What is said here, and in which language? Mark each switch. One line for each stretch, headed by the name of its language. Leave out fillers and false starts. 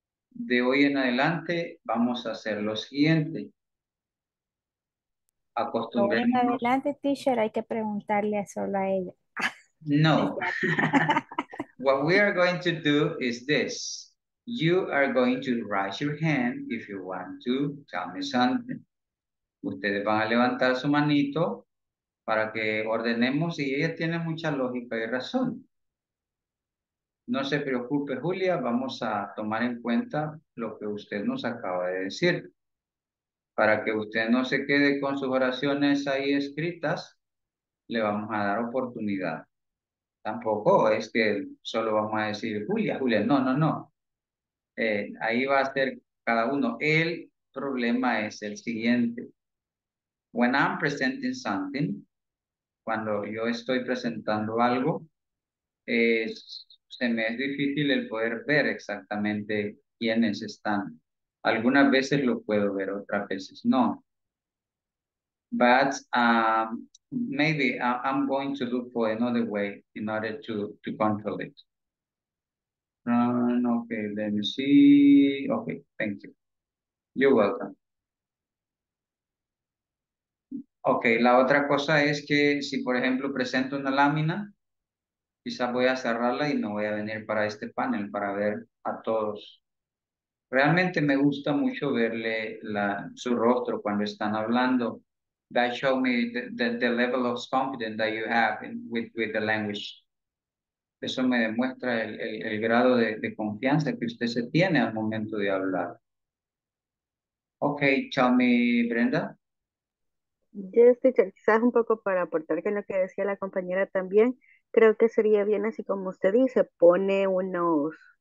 Spanish: De hoy en adelante vamos a hacer lo siguiente. En adelante, teacher, hay que preguntarle solo a ella. No.
English: What we are going to do is this. You are going to raise your hand if you want to tell me something.
Spanish: Ustedes van a levantar su manito para que ordenemos y ella tiene mucha lógica y razón. No se preocupe, Julia, vamos a tomar en cuenta lo que usted nos acaba de decir. Para que usted no se quede con sus oraciones ahí escritas, le vamos a dar oportunidad. Tampoco es que solo vamos a decir, Julia, no. Ahí va a ser cada uno. El problema es el siguiente.
English: When I'm presenting something,
Spanish: cuando yo estoy presentando algo, se me es difícil el poder ver exactamente quiénes están. Algunas veces lo puedo ver, otras veces no.
English: But maybe I'm going to look for another way in order to control it. Okay, let me see. Okay, thank you. You're welcome.
Spanish: Okay, la otra cosa es que si, por ejemplo, presento una lámina, quizás voy a cerrarla y no voy a venir para este panel para ver a todos. Realmente me gusta mucho verle su rostro cuando están hablando.
English: That show me the level of confidence that you have with the language.
Spanish: Eso me demuestra el grado de confianza que usted se tiene al momento de hablar.
English: Okay, tell me, Brenda. Yes, teacher.
Spanish: Quizás un poco para aportar con lo que decía la compañera también. Creo que sería bien así como usted dice, pone unos